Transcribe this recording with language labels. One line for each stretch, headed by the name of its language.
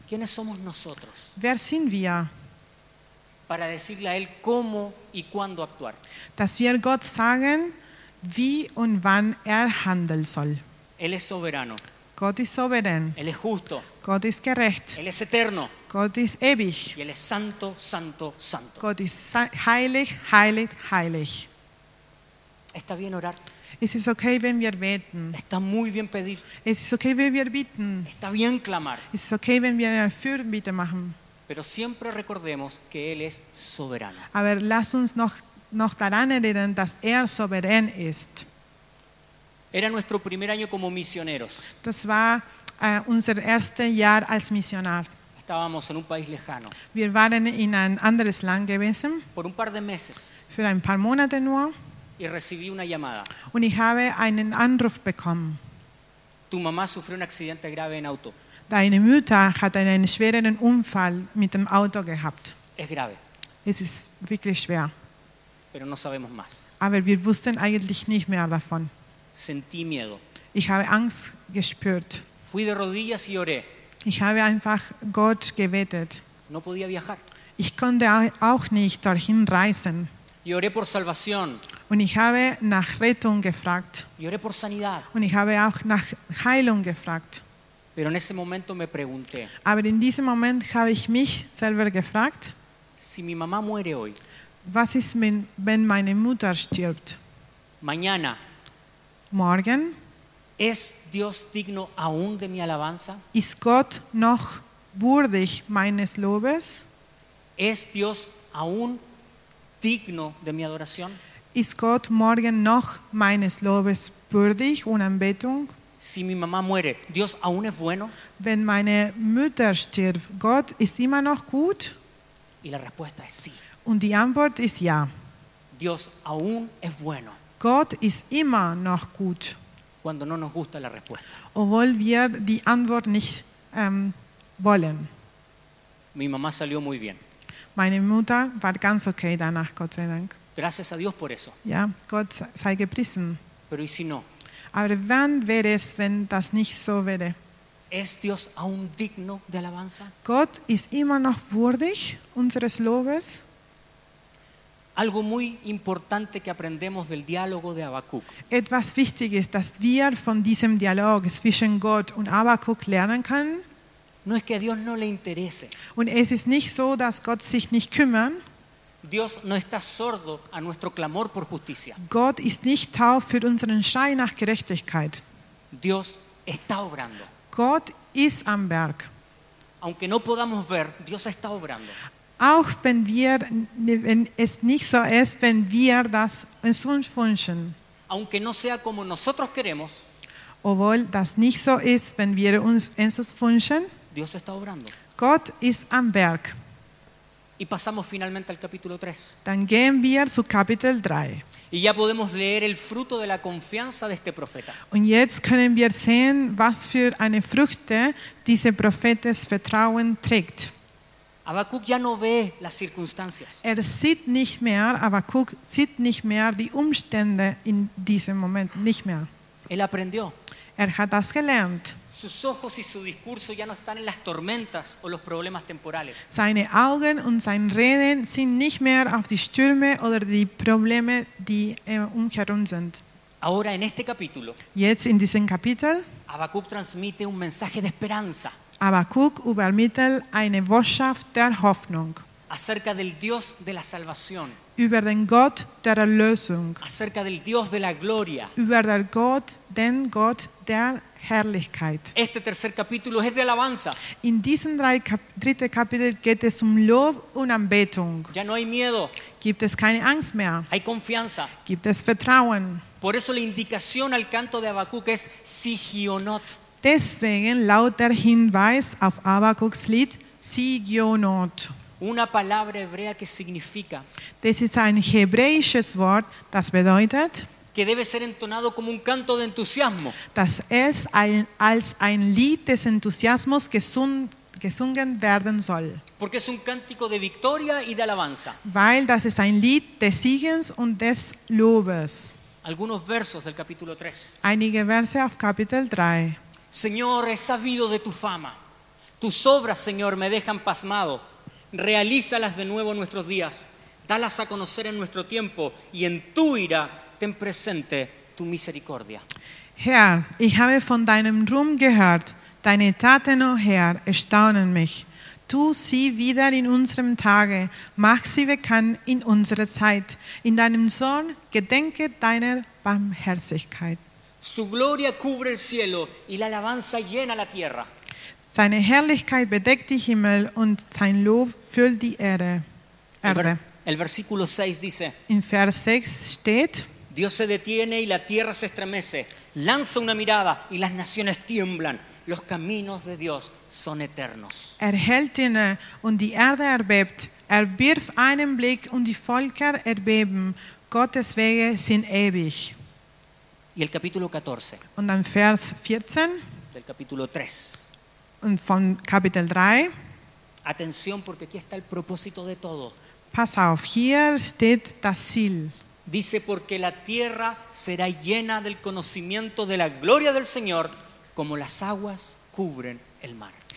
Spanish: ¿Quiénes somos nosotros?
German: Wer sind wir?
Spanish: Para decirle a él cómo y cuándo actuar.
German: Dass wir Gott sagen, wie und wann er handeln soll.
Spanish: Él es soberano.
German: Gott ist souverän.
Spanish: Él es justo.
German: Gott ist gerecht.
Spanish: Él es eterno.
German: Gott ist ewig.
Spanish: Y él es santo, santo, santo.
German: Gott ist heilig, heilig, heilig.
Spanish: Está bien orar.
German: Es ist okay, wenn wir beten.
Spanish: Está muy bien pedir.
German: Es ist okay, wenn wir bitten.
Spanish: Está bien clamar.
German: Es ist okay, wenn wir Fürbitte machen.
Spanish: Pero siempre recordemos que él es soberano.
German: Aber lass uns noch daran erinnern, dass er souverän ist.
Spanish: Era nuestro primer año como misioneros.
German: Das war unser erstes Jahr als Missionar.
Spanish: Estábamos en un país lejano.
German: Wir waren in ein anderes Land gewesen.
Spanish: Por un par de meses.
German: Für ein paar Monate nur.
Spanish: Y recibí una llamada.
German: Und ich habe einen Anruf bekommen.
Spanish: Tu mamá sufrió un accidente grave en auto.
German: Deine Mutter hat einen schweren Unfall mit dem Auto gehabt.
Spanish: Es grave.
German: Es ist wirklich schwer.
Spanish: Pero no sabemos más.
German: Aber wir wussten eigentlich nicht mehr davon.
Spanish: Sentí miedo.
German: Ich habe Angst gespürt.
Spanish: Fui de rodillas y oré.
German: Ich habe einfach Gott gebetet.
Spanish: No podía viajar.
German: Ich konnte auch nicht dorthin reisen.
Spanish: Y oré por salvación.
German: Und ich habe nach Rettung gefragt.
Spanish: Y oré por sanidad.
German: Und ich habe auch nach Heilung gefragt.
Spanish: Pero en ese momento me pregunté,
German: aber in diesem Moment habe ich mich selber gefragt,
Spanish: si mi mamá muere hoy,
German: was ist, wenn meine Mutter stirbt?
Spanish: Mañana,
German: morgen,
Spanish: ¿es Dios digno aún de mi alabanza?
German: Ist Gott noch würdig meines Lobes?
Spanish: ¿Es Dios aún digno de mi adoración?
German: Ist Gott morgen noch meines Lobes würdig und Anbetung?
Spanish: Si mi mamá muere, ¿Dios aún es bueno?
German: Wenn meine Mutter stirbt, Gott ist immer noch gut?
Spanish: Y la respuesta es sí.
German: Und die Antwort ist ja.
Spanish: Dios aún es bueno.
German: Gott ist immer noch gut.
Spanish: Cuando no nos gusta la respuesta.
German: Obwohl wir die Antwort nicht wollen.
Spanish: Mi mamá salió muy bien.
German: Meine Mutter war ganz okay danach, Gott sei Dank.
Spanish: Gracias a Dios por eso.
German: Ja, Gott sei gepriesen.
Spanish: Pero ¿y si no?
German: Aber wann wäre es, wenn das nicht so wäre?
Spanish: ¿Es Dios aún digno de alabanza?
German: Gott ist immer noch würdig unseres Lobes.
Spanish: Algo muy importante que aprendemos del diálogo de Habacuc.
German: Etwas Wichtiges, das wir von diesem Dialog zwischen Gott und Habacuc lernen können.
Spanish: No es que a Dios no le interese.
German: Und es ist nicht so, dass Gott sich nicht kümmert.
Spanish: Dios no está sordo a nuestro clamor por justicia.
German: Gott ist nicht taub für unseren Schrei nach Gerechtigkeit.
Spanish: Dios está obrando.
German: Gott ist am Werk.
Spanish: Aunque no podamos ver, Dios está obrando.
German: Auch wenn wir, wenn es nicht so ist, wenn wir das uns wünschen.
Spanish: Aunque no sea como nosotros queremos.
German: Obwohl das nicht so ist, wenn wir uns wünschen.
Spanish: Dios está obrando.
German: Gott ist am Werk.
Spanish: Y pasamos finalmente al capítulo 3.
German: Dann gehen wir zu Kapitel 3.
Spanish: Y ya podemos leer el fruto de la confianza de este profeta.
German: Und jetzt können wir sehen, was für eine Früchte dieser Prophetes Vertrauen trägt.
Spanish: Habacuc ya no ve las circunstancias.
German: Er sieht nicht mehr, Habacuc sieht nicht mehr die Umstände in diesem Moment, nicht mehr.
Spanish: Él aprendió.
German: Er hat das gelernt.
Spanish: Sus ojos y su discurso ya no están en las tormentas o los problemas temporales.
German: Seine Augen und sein Reden sind nicht mehr auf die Stürme oder die Probleme, die umherum sind.
Spanish: Ahora en este capítulo.
German: Jetzt in diesem Kapitel.
Spanish: Habacuc transmite un mensaje de esperanza.
German: Habacuc übermittelt eine Botschaft der Hoffnung.
Spanish: Acerca del Dios de la salvación.
German: Über den Gott der Erlösung.
Spanish: Acerca del Dios de la gloria.
German: Über der Gott, den Gott der Herrlichkeit.
Spanish: Este tercer capítulo es de alabanza.
German: In diesem dritten Kapitel geht es Lob und Anbetung.
Spanish: Ya no hay miedo.
German: Gibt es keine Angst mehr.
Spanish: Hay confianza.
German: Gibt es Vertrauen.
Spanish: Por eso la indicación al canto de Habacuc es Sigionot.
German: Deswegen laut der Hinweis auf Habacucs Lied Sigionot.
Spanish: Una palabra hebrea que significa.
German: Das ist ein hebräisches Wort, das bedeutet.
Spanish: Que debe ser entonado como un canto de entusiasmo.
German: Das es ein, als ein Lied des Enthusiasmus gesungen werden soll.
Spanish: Porque es un cántico de victoria y de alabanza.
German: Weil das ist ein Lied des Siegens und des Lobes.
Spanish: Algunos versos del capítulo 3.
German: Einige Verse auf Kapitel 3.
Spanish: Señor, he sabido de tu fama. Tus obras, Señor, me dejan pasmado. Realízalas de nuevo en nuestros días. Dalas a conocer en nuestro tiempo y en tu ira. Ten presente tu misericordia.
German: Herr, ich habe von deinem Ruhm gehört. Deine Taten, oh Herr, erstaunen mich. Tu sie wieder in unserem Tage. Mach sie bekannt in unserer Zeit. In deinem Sohn gedenke deiner Barmherzigkeit.
Spanish: Su gloria cubre el cielo y la alabanza llena la tierra.
German: Seine Herrlichkeit bedeckt die Himmel und sein Lob füllt die Erde.
Spanish: El versículo 6 dice.
German: In Vers 6 steht.
Spanish: Dios se detiene y la tierra se estremece. Lanza una mirada y las naciones tiemblan. Los caminos de Dios son eternos.
German: Er hält inne und die Erde erbebt. Er wirft einen Blick und die Völker erbeben. Gottes Wege sind ewig.
Spanish: y el capítulo 14.
German: Und dann Vers 14.
Spanish: Del capítulo 3.
German: Und von Kapitel 3.
Spanish: Atención, porque aquí está el propósito de todo.
German: Pass auf, hier steht das Ziel.
Spanish: Dice, porque la tierra será llena del conocimiento de la gloria del Señor, como las aguas cubren el mar.